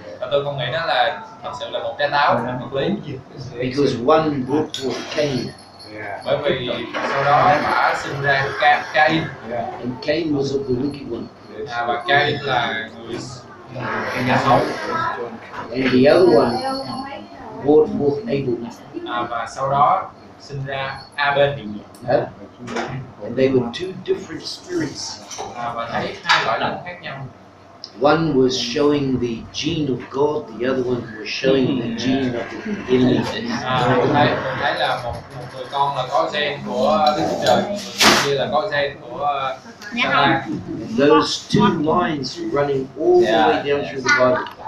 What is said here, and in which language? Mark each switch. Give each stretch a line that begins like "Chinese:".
Vietnamese: Tôi không nghĩ đó là thật sự là một trái táo, một lý.
English: Because one brought forth Cain.
Vietnamese: Bởi vì sau đó mà sinh ra Cain.
English: And Cain was of the wicked one.
Vietnamese: Và Cain là người
English: and the other one brought forth Abel.
Vietnamese: Và sau đó sinh ra Abel.
English: And they were two different spirits.
Vietnamese: Và thấy hai loại linh khác nhau.
English: One was showing the gene of God, the other one was showing the gene of the enemy.
Vietnamese: Thấy là một người con là có gen của Đức Chúa Trời, kia là có gen của
English: those two lines running all the way down through the Bible.